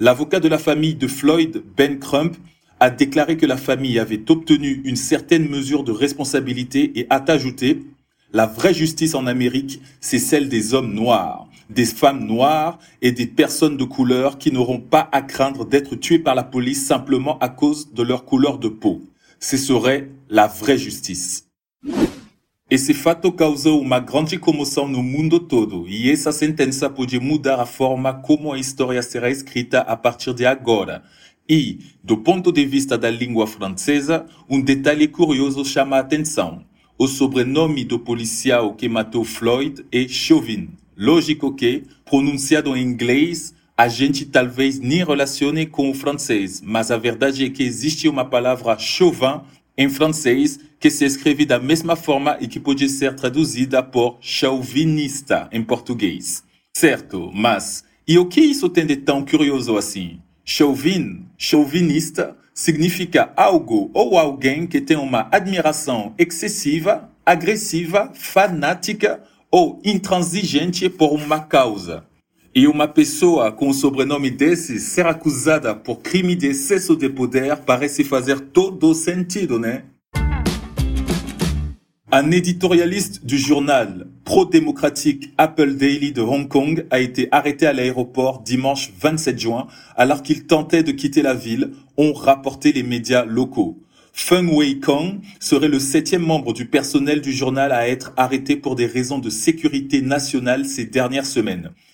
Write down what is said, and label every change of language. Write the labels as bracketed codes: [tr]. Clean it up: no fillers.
[fr] L'avocat de la famille de Floyd, Ben Crump, a déclaré que la famille avait obtenu une certaine mesure de responsabilité et a ajouté « La vraie justice en Amérique, c'est celle des hommes noirs, des femmes noires et des personnes de couleur qui n'auront pas à craindre d'être tuées par la police simplement à cause de leur couleur de peau. Ce serait la vraie justice ». [pt] E se fatto causa uma grande comoção no mundo todo, e essa sentença pode mudar a forma como a história será escrita a partir de agora. E, do ponto de vista da língua francesa, detalhe curioso chama a atenção. O sobrenome do policial que matou Floyd é Chauvin. Lógico que, pronunciado em inglês, a gente talvez nem relacione com o francês, mas a verdade é que existe uma palavra Chauvin em francês que se escreve da mesma forma e que pode ser traduzida por chauvinista em português. Certo, mas e o que isso tem de tão curioso assim? Chauvin, chauvinista, significa algo ou alguém que tem uma admiração excessiva, agressiva, fanática ou intransigente por uma causa. E uma pessoa com o sobrenome desse ser acusada por crime de excesso de poder parece fazer todo sentido, né? [fr] Un éditorialiste du journal pro-démocratique Apple Daily de Hong Kong a été arrêté à l'aéroport dimanche 27 juin alors qu'il tentait de quitter la ville, ont rapporté les médias locaux. Feng Wei Kong serait le septième membre du personnel du journal à être arrêté pour des raisons de sécurité nationale ces dernières semaines.